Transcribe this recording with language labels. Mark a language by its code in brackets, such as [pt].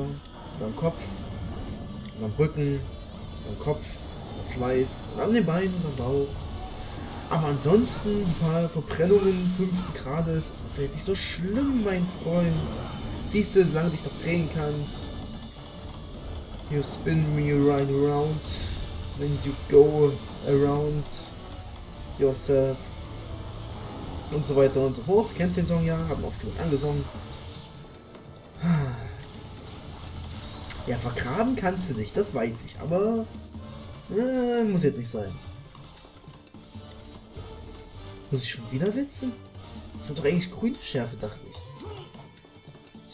[de] Und am Kopf. Und am Rücken. Und am Kopf. Und am Schweif. Und an den Beinen und am Bauch. Aber ansonsten ein paar Verbrennungen 5. Grades, das ist doch jetzt nicht so schlimm, mein Freund. Siehst du, solange du dich noch drehen kannst. [en] You spin me right around, when you go around yourself. [de] Und so weiter und so fort. Kennst du den Song ja? Haben oft genug angesungen. Ja, vergraben kannst du dich, das weiß ich, aber muss jetzt nicht sein. Muss ich schon wieder witzen? Ich hab doch eigentlich grüne Schärfe, dachte ich.